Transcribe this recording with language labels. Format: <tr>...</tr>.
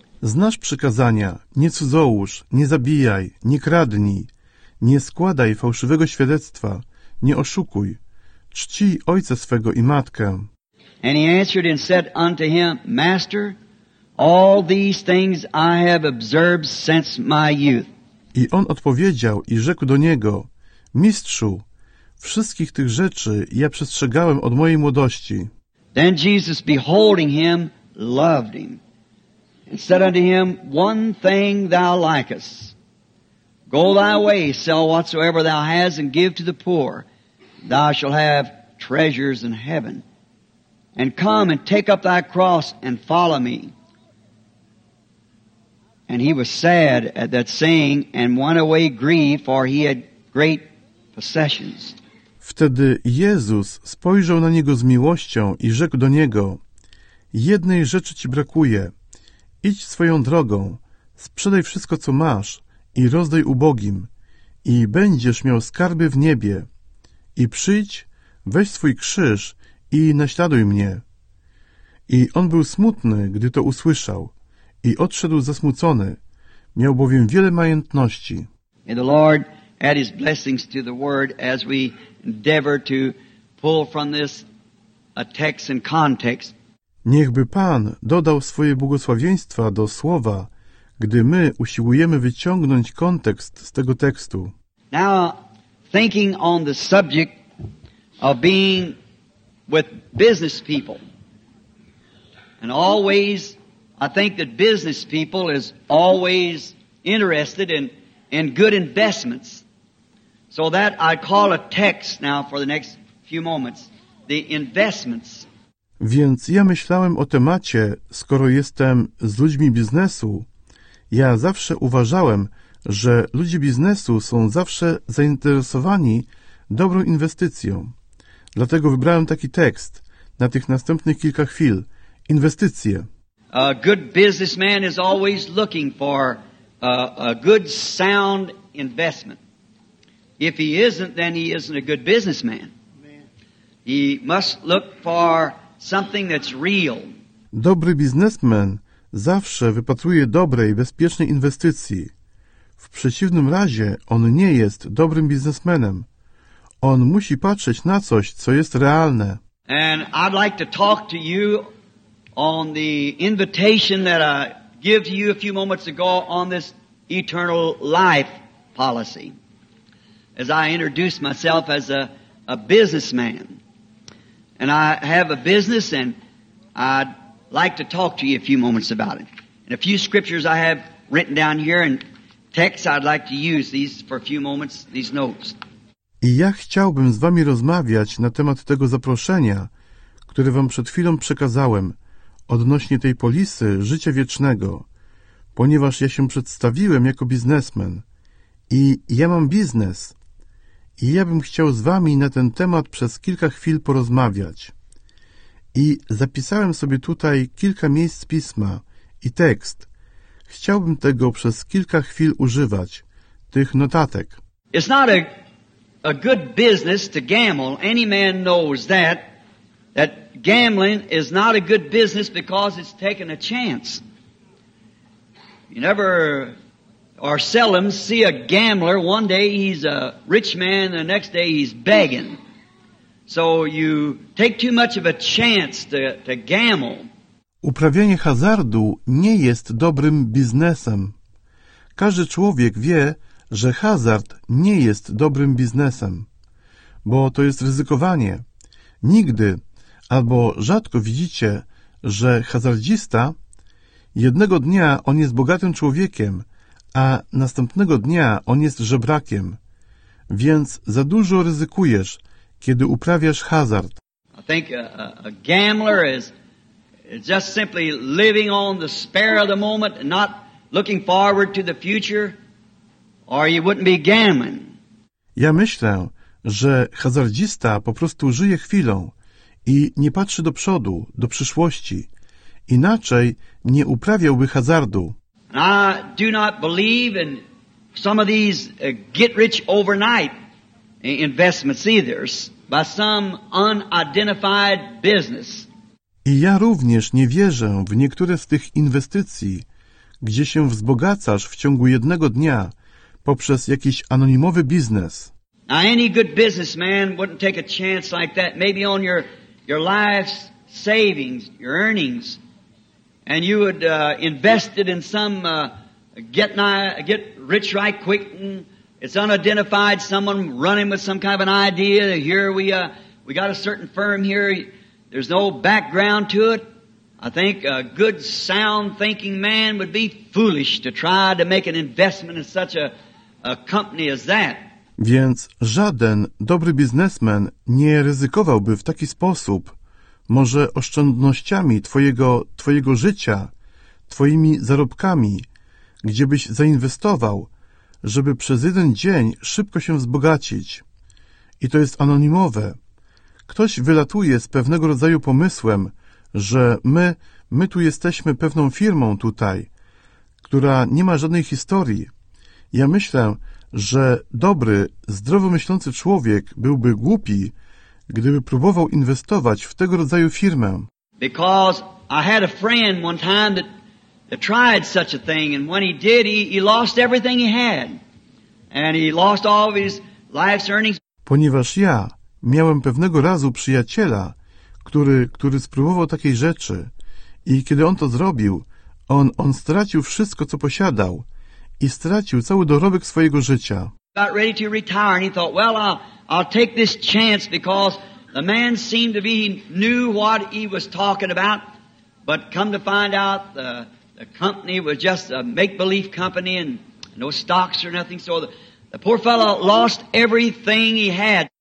<pl>Znasz przykazania: nie cudzołóż, nie zabijaj, nie kradnij, nie składaj fałszywego świadectwa, nie oszukuj, czci ojca swego i matkę.</pl> <en>And he answered and said unto him, "Master, all these things I have observed since my youth."</en> <pl>I on odpowiedział i rzekł do niego: "Mistrzu, wszystkich tych rzeczy ja przestrzegałem od mojej młodości."</pl> <en>Then Jesus, beholding him, loved him, and said unto him, "One thing thou likest. Go thy way, sell whatsoever thou hast, and give to the poor. Thou shalt have treasures in heaven. And come and take up thy cross and follow me." And he was sad at that saying, and went away grieved, for he had great possessions.</en> <pl>Wtedy Jezus spojrzał na niego z miłością i rzekł do niego: "Jednej rzeczy ci brakuje. Idź swoją drogą, sprzedaj wszystko, co masz, i rozdaj ubogim, i będziesz miał skarby w niebie. i przyjdź, weź swój krzyż i naśladuj mnie. I on był smutny, gdy to usłyszał, i odszedł zasmucony, miał bowiem wiele majątności.</pl> <en>May the Lord add his blessings to the word as we endeavor to pull from this a text and context.</en> <pl>Niechby Pan dodał swoje błogosławieństwa do słowa, gdy my usiłujemy wyciągnąć kontekst z tego tekstu.</pl> <en>Now, thinking on the subject of being with business people, and always, I think that business people is always interested in good investments. So that I call a text now for the next few moments, the investments.</en> <pl>Więc ja myślałem o temacie, skoro jestem z ludźmi biznesu. Ja zawsze uważałem, że ludzie biznesu są zawsze zainteresowani dobrą inwestycją. Dlatego wybrałem taki tekst na tych następnych kilka chwil. Inwestycje.</pl> <en>A good businessman is always looking for a good sound investment. If he isn't, then he isn't a good businessman. He must look for something that's real.</en> <pl>Dobry biznesmen zawsze wypatruje dobrej, bezpiecznej inwestycji. W przeciwnym razie on nie jest dobrym biznesmenem. On musi patrzeć na coś, co jest realne.</pl> <en>And I'd like to talk to you on the invitation that I gave to you a few moments ago on this eternal life policy. As I introduced myself as a businessman. And I have a business, and I'd like to talk to you a few moments about it. And a few scriptures I have written down here and texts, I'd like to use these for a few moments, these notes.</en> <pl>I ja chciałbym z wami rozmawiać na temat tego zaproszenia, które wam przed chwilą przekazałem, odnośnie tej polisy życia wiecznego, ponieważ ja się przedstawiłem jako biznesmen. I ja mam biznes. I ja bym chciał z wami na ten temat przez kilka chwil porozmawiać. I zapisałem sobie tutaj kilka miejsc pisma i tekst. Chciałbym tego przez kilka chwil używać, tych notatek.</pl> <en>It's not a good business to gamble. Any man knows that gambling is not a good business because it's taking a chance. You never or seldom see a gambler, one day he's a rich man, the next day he's begging. So you take too much of a chance to gamble.</en> <pl>Uprawianie hazardu nie jest dobrym biznesem. Każdy człowiek wie, że hazard nie jest dobrym biznesem, bo to jest ryzykowanie. Nigdy albo rzadko widzicie, że hazardzista, jednego dnia on jest bogatym człowiekiem, a następnego dnia on jest żebrakiem. Więc za dużo ryzykujesz, kiedy uprawiasz hazard.</pl> <en>I think a gambler is just simply living on the spur of the moment, not looking forward to the future, or you wouldn't be gambling.</en> <pl>Ja myślę, że hazardzista po prostu żyje chwilą i nie patrzy do przodu, do przyszłości. Inaczej nie uprawiałby hazardu.</pl> <en>And I do not believe in some of these get-rich-overnight investments either, by some unidentified business.</en> <pl>I ja również nie wierzę w niektóre z tych inwestycji, gdzie się wzbogacasz w ciągu jednego dnia poprzez jakiś anonimowy biznes.</pl> <en>Now, any good businessman wouldn't take a chance like that, maybe on your life's savings, your earnings. And you would invest it in some get rich right quick. And it's unidentified. Someone running with some kind of an idea. Here we got a certain firm here. There's no background to it. I think a good, sound thinking man would be foolish to try to make an investment in such a company as that.</en> <pl>Więc żaden dobry biznesmen nie ryzykowałby w taki sposób. Może oszczędnościami twojego życia, twoimi zarobkami, gdzie byś zainwestował, żeby przez jeden dzień szybko się wzbogacić. I to jest anonimowe. Ktoś wylatuje z pewnego rodzaju pomysłem, że my tu jesteśmy pewną firmą tutaj, która nie ma żadnej historii. Ja myślę, że dobry, zdrowomyślący człowiek byłby głupi, gdyby próbował inwestować w tego rodzaju firmę.</pl> <en>Because I had a friend one time that tried such a thing, and when he did, he lost everything he had, and he lost all of his life's earnings.</en> <pl>Ponieważ ja miałem pewnego razu przyjaciela, który spróbował takiej rzeczy, i kiedy on to zrobił, on stracił wszystko, co posiadał, i stracił cały dorobek swojego życia.</pl> <en>Got ready to retire, and he thought, well, I'll take this chance because the man seemed to be he knew what he was talking about, but come to find out the company was just a make-believe company and no stocks or nothing, so the poor fellow lost everything he had.</en>